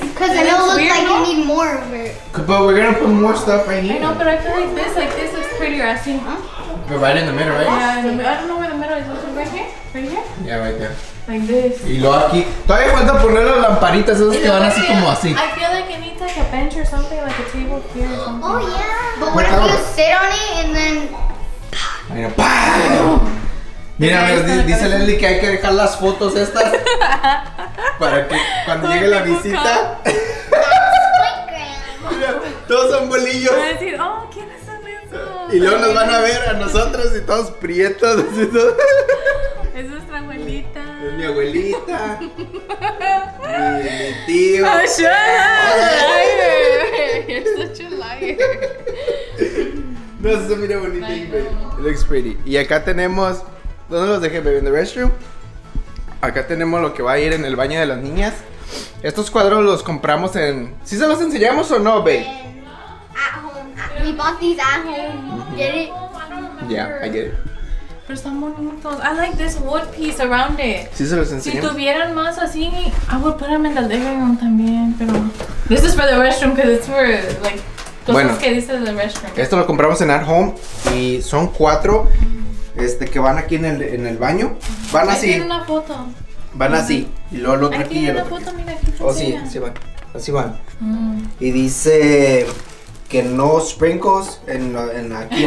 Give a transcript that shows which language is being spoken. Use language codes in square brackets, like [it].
[en] Because it looks like you need more of it. But we're gonna put more stuff right here. I know, but I feel like this looks prettier, I see. But right in the middle, right? Yeah, I don't know where the middle is. Right here? Right here? Yeah, right there. Like this. [es] Y luego aquí. Todavía falta poner las lamparitas esas que van así como así. [en] I feel like it needs like a bench or something, like a table here or something. Oh, yeah. But what if you sit on it and then... I mean, ¡pam! [es] Mira, mira, dice Leslie que hay que dejar las fotos estas para que cuando llegue la visita. Mira, todos son bolillos. Van a decir, oh, ¿quiénes son esos? Y luego nos van a ver a nosotros y todos prietos. Es nuestra abuelita. Es mi abuelita. Mi tío. [en] Oh, shut up. Liar. You're such a liar. [es] No, se mira bonita. [en] It looks pretty. [es] Y acá tenemos... ¿Dónde los dejé, baby? ¿En [en] the restroom? [es] Acá tenemos lo que va a ir en el baño de las niñas. Estos cuadros los compramos en... ¿Sí se los enseñamos o no, babe? [en] At home. We bought these at home. Get it? Yeah, I get it. [es] Pero están bonitos. [en] I like this wood piece around it. [es] ¿Sí se los enseñamos? Si tuvieran más así, [en] I would put them in the living room [es] también, pero... [en] This is for the restroom, because it's for, like... [es] Bueno. Cosas que dices en el restroom. Esto lo compramos en at home, y son cuatro... que van aquí en el baño. Van así. Tienen una foto. Van así. Y luego el otro aquí. tienen una foto, mira, aquí funciona. Oh, sí, van. Así van. Y dice que no sprinkles en aquí.